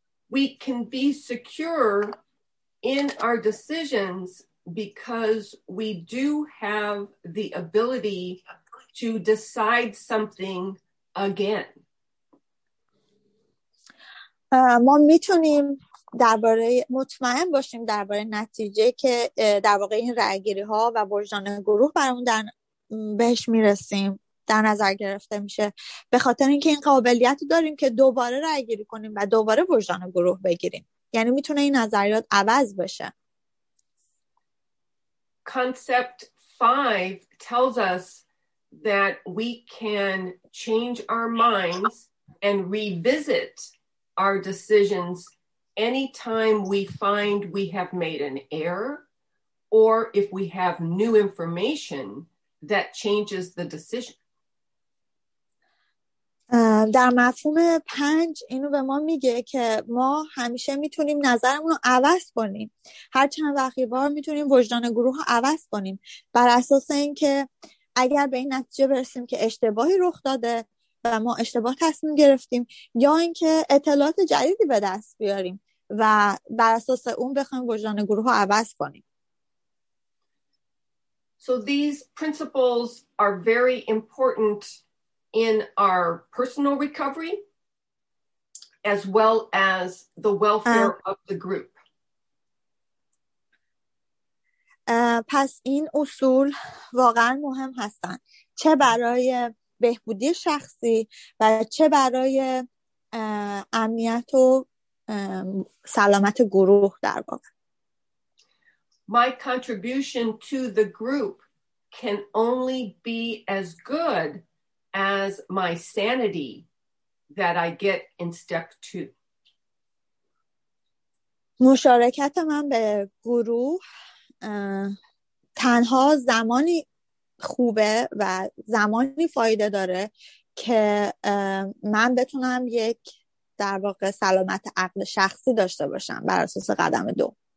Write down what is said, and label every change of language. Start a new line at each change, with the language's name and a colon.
English: We can be secure in our decisions because we do have the ability to decide something again.
Persian: ما میتونیم درباره مطمئن باشیم درباره نتیجه که در واقع این رأی‌گیری ها و وجدان گروه برامون بهش میرسیم در نظر گرفته میشه، به خاطر اینکه این قابلیت رو داریم که دوباره رأی‌گیری کنیم و دوباره وجدان گروه بگیریم. یعنی میتونه این نظریات عوض بشه.
English: Concept 5 tells us that we can change our minds and revisit our decisions anytime we find we have made an error or if we have new information that changes the decision.
Persian: در مفهوم 5 اینو به ما میگه که ما همیشه میتونیم نظرمون رو عوض کنیم. هر چند وقتی بار میتونیم وجدان گروه رو عوض کنیم بر اساس اینکه اگر به این نتیجه برسیم که اشتباهی رخ داده و ما اشتباه تصمیم گرفتیم یا اینکه اطلاعات جدیدی به دست بیاریم و بر اساس اون بخوایم وجدان گروه رو عوض کنیم.
English: So these principles are very important in our personal recovery as well as the welfare of the group.
Persian: پس این اصول واقعا مهم هستن، چه برای بهبودی شخصی و چه برای امنیت و سلامت گروه در واقع.
English: My contribution to the group can only be as good as my sanity that I get in step 2.
Persian: مشارکت من به گروه تنها زمانی خوبه و زمانی فایده داره که من بتونم یک در واقع سلامت عقل شخصی داشته باشم بر اساس قدم 2.